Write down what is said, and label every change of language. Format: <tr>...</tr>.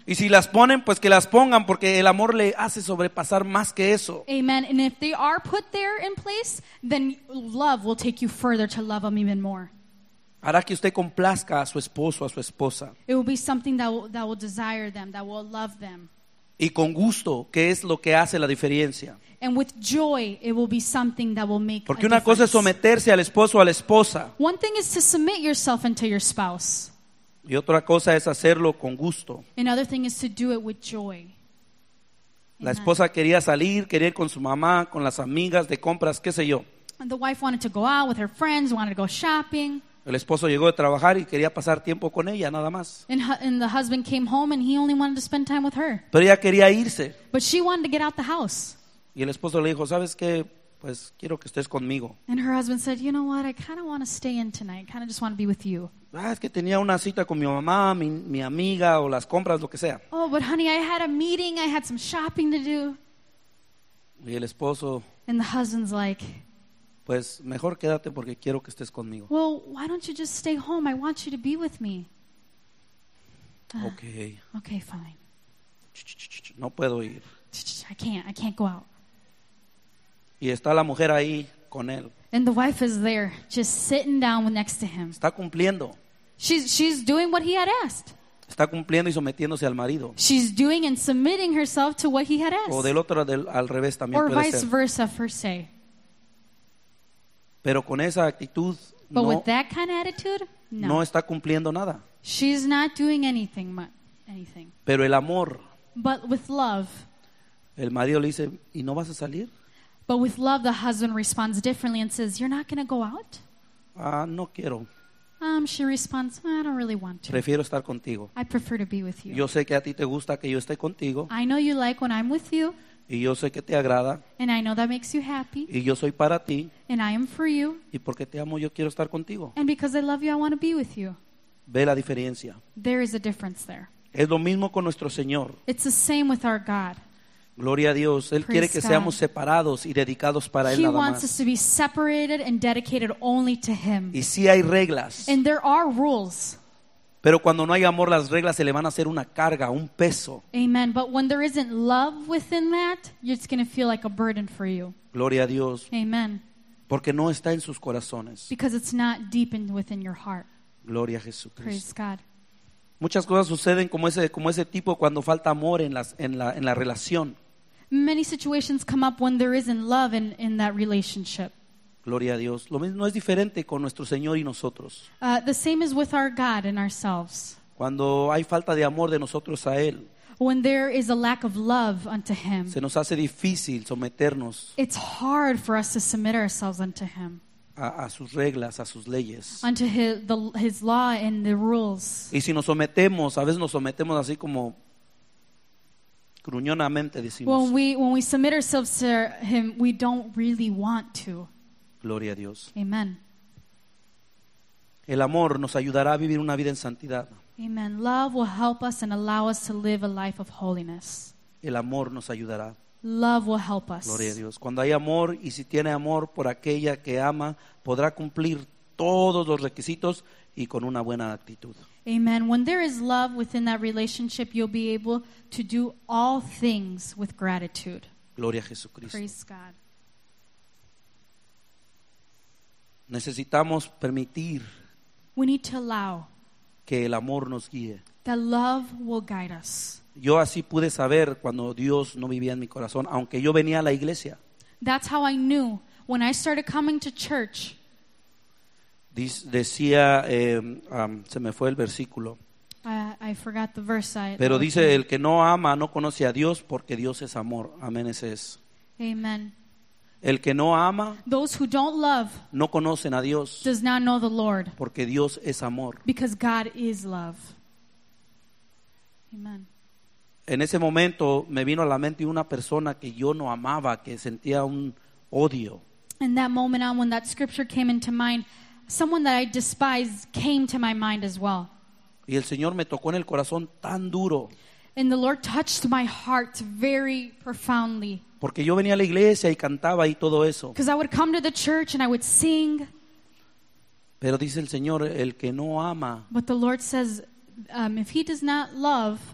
<es>Y si las ponen, pues que las pongan, porque el amor le hace sobrepasar más que eso.</es> <en>Amen. And if they are put there in place, then love will take you further to love them even more.</en> <es>Hará que usted complazca a su esposo, a su esposa.</es> <en>It will be something that will desire them, that will love them.</en> <es>Y con gusto, que es lo que hace la diferencia.</es> <en>And with joy, it will be something that will make</en> <es>porque una cosa es someterse al esposo o a la esposa.</es> <en>One thing is to submit yourself unto your spouse.</en> <es>Y otra cosa es hacerlo con gusto.</es> <en>Another thing is to do it with joy.</en> <es>La esposa quería salir, quería ir con su mamá, con las amigas de compras, qué sé yo.</es> <en>And the wife wanted to go out with her friends, wanted to go shopping.</en> <es>El esposo llegó de trabajar y quería pasar tiempo con ella, nada más.</es> <en>And the husband came home and he only wanted to spend time with her.</en> <es>Pero ella quería irse.</es> <en>But she wanted to get out the house.</en> <es>Y el esposo le dijo, ¿sabes qué? Pues quiero que estés conmigo.</es> <en>And her husband said, you know what? I kind of want to stay in tonight. I kind of just want to be with you.</en> <es>Ah, es que tenía una cita con mi mamá, mi amiga, o las compras, lo que sea.</es> <en>Oh, but honey, I had a meeting. I had some shopping to do.</en> <es>Y el esposo...</es> <en>And the husband's like...</en> <es>Pues mejor quédate porque quiero que estés conmigo.</es> <en>Well, why don't you just stay home? I want you to be with me. Okay. Okay, fine.</en> <es>No puedo ir.</es> <en>I can't go out.</en> <es>Y está la mujer ahí con él.</es> <en>And the wife is there, just sitting down next to him.</en> <es>Está cumpliendo.</es> <en>She's doing what he had asked.</en> <es>Está cumpliendo y sometiéndose al marido.</es> <en>She's doing and submitting herself to what he had asked.</en> <es>O del otro al revés también</es> <en>or</en> <es>puede</es> <en>vice</en> <es>ser.</es> <en>Versa, per se.</en> <es>Pero con esa actitud,</es> <en>but</en> <es>no,</es> <en>with that kind of attitude, no.</en> <es>No está cumpliendo nada.</es> <en>She's not doing anything. Anything.</en> <es>Pero el amor.</es> <en>But with love.</en> <es>El marido le dice, ¿y no vas a salir?</es> <en>But with love, the husband responds differently and says, you're not going to go out?</en> <es>No quiero.</es> <en>She responds, I don't really want to.</en> <es>Prefiero estar contigo.</es> <en>I prefer to be with you.</en> <es>Yo sé que a ti te gusta que yo esté contigo.</es> <en>I know you like when I'm with you.</en> <es>Y yo sé que te agrada.</es> <en>And I know that makes you happy.</en> <es>Y yo soy para ti.</es> <en>And I am for you.</en> <es>Y porque te amo, yo quiero estar contigo.</es> <en>And because I love you, I want to be with you.</en> <es>Ve la diferencia.</es> <en>There is a difference there.</en> <es>Es lo mismo con nuestro Señor.</es> <en>It's the same with our God.</en> <es>Gloria a Dios. Él</es> <en>praise</en> <es>quiere que</es> <en>God.</en> <es>Seamos separados y dedicados para</es> <en>he</en> <es>Él nada más.</es> <en>He wants us to be separated and dedicated only to Him.</en> <es>Y sí hay reglas.</es> <en>And there are rules.</en> <es>Pero cuando no hay amor, las reglas se le van a hacer una carga, un peso.</es> <en>Amen. But when there isn't love within that, it's going to feel like a burden for you.</en> <es>Gloria a Dios.</es> <en>Amen.</en> <es>Porque no está en sus corazones.</es> <en>Because it's not deepened within your heart.</en> <es>Gloria a Jesucristo.</es> <en>Praise God.</en> <es>Muchas cosas suceden como ese tipo cuando falta amor en la relación.</es> <en>Many situations come up when there isn't love in that relationship.</en> <es>Gloria a Dios. Lo mismo no es diferente con nuestro Señor y nosotros.</es> <en>The same is with our God and ourselves.</en> <es>Cuando hay falta de amor de nosotros a Él.</es> <en>When there is a lack of love unto Him.</en> <es>Se nos hace difícil someternos.</es> <en>It's hard for us to submit ourselves unto Him.</en> <es>A sus reglas, a sus leyes.</es> <en>Unto His law and the rules.</en> <es>Y si nos sometemos, a veces nos sometemos así como... gruñonamente decimos.</es> <en>When we submit ourselves to Him, we don't really want to.</en> <es>Gloria a Dios.</es> <en>Amen.</en> <es>El amor nos ayudará a vivir una vida en santidad.</es> <en>Amen. Love will help us and allow us to live a life of holiness.</en> <es>El amor nos ayudará.</es> <en>Love will help us.</en> <es>Gloria a Dios. Cuando hay amor y si tiene amor por aquella que ama, podrá cumplir todos los requisitos y con una buena actitud.</es> <en>Amen. When there is love within that relationship, you'll be able to do all things with gratitude.</en> <es>Gloria a Jesucristo.</es> <en>Praise God.</en> <es>Necesitamos permitir</es> <en>we need to allow</en> <es>que el amor nos guíe.</es> <en>That love will guide us.</en> <es>Yo así pude saber cuando Dios no vivía en mi corazón, aunque yo venía a la iglesia.</es> <en>That's how I knew when I started coming to church.</en> <es>Decía, se me fue el versículo.</es> <en>I forgot the verse.</en> <es>Pero dice, el que no ama no conoce a Dios, porque Dios es amor. Amén, ese es.</es> <en>Amen.</en> <es>El que no ama,</es> <en>those who don't love,</en> <es>no conocen a Dios,</es> <en>does not know the Lord,</en> <es>porque Dios es amor.</es> <en>Because God is love. Amen.</en> <es>En ese momento me vino a la mente una persona que yo no amaba, que sentía un odio.</es> <en>In that moment on, when that scripture came into mind, someone that I despised came to my mind as well.</en> <es>Y el Señor me tocó en el corazón tan duro.</es> <en>And the Lord touched my heart very profoundly.</en> <es>Porque yo venía a la iglesia y cantaba y todo eso.</es> <en>Because I would come to the church and I would sing.</en> <es>Pero dice el Señor, el que no ama.</es> <en>But the Lord says, if he does not love,</en>